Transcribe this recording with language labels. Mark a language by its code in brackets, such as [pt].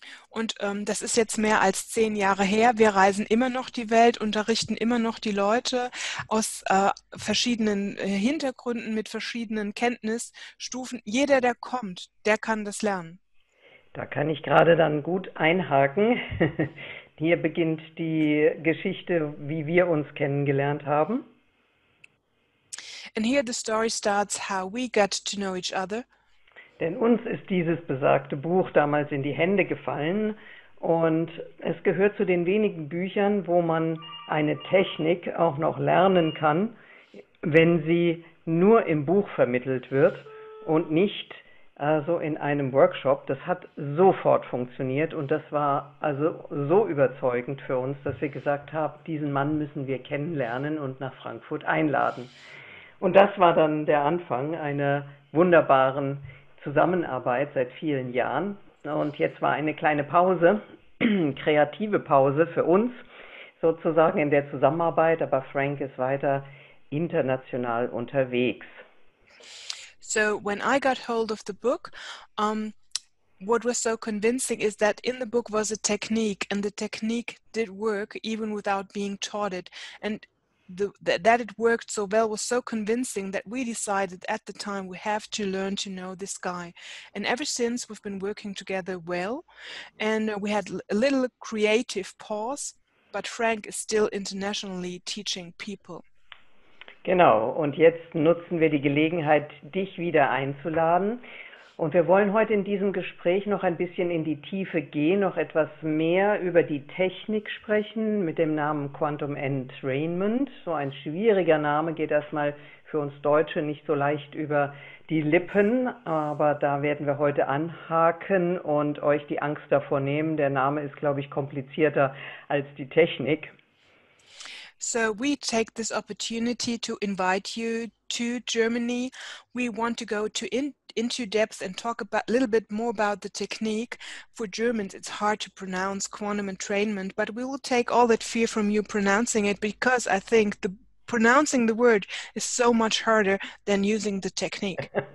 [de] Und das ist jetzt mehr als 10 Jahre her. Wir reisen immer noch die Welt, unterrichten immer noch die Leute aus verschiedenen Hintergründen mit verschiedenen Kenntnisstufen. Jeder, der kommt, der kann das lernen. Da kann ich gerade dann gut einhaken. Hier beginnt die Geschichte, wie wir uns kennengelernt haben. [en] And here the story starts how we got to know each other. [de] Denn uns ist dieses besagte Buch damals in die Hände gefallen und es gehört zu den wenigen Büchern, wo man eine Technik auch noch lernen kann, wenn sie nur im Buch vermittelt wird und nicht also in einem Workshop. Das hat sofort funktioniert und das war also so überzeugend für uns, dass wir gesagt haben, diesen Mann müssen wir kennenlernen und nach Frankfurt einladen. Und das war dann der Anfang einer wunderbaren Zusammenarbeit seit vielen Jahren und jetzt war eine kleine Pause, kreative Pause für uns sozusagen in der Zusammenarbeit, aber Frank ist weiter international unterwegs. [en] So when I got hold of the book, what was so convincing is that in the book was a technique and the technique did work even without being taught it and that it worked so well was so convincing that we decided at the time we have to learn to know this guy. And ever since we've been working together well and we had a little creative pause, but Frank is still internationally teaching people. [de] Genau, und jetzt nutzen wir die Gelegenheit, dich wieder einzuladen. Und wir wollen heute in diesem Gespräch noch ein bisschen in die Tiefe gehen, noch etwas mehr über die Technik sprechen mit dem Namen Quantum Entrainment. So ein schwieriger Name geht erstmal für uns Deutsche nicht so leicht über die Lippen, aber da werden wir heute anhaken und euch die Angst davor nehmen. Der Name ist, glaube ich, komplizierter als die Technik. [en] So we take this opportunity to invite you to Germany. We want to go to into depth and talk about a little bit more about the technique. For Germans, it's hard to pronounce quantum entrainment, but we will take all that fear from you pronouncing it because I think the pronouncing the word is so much harder than using the technique.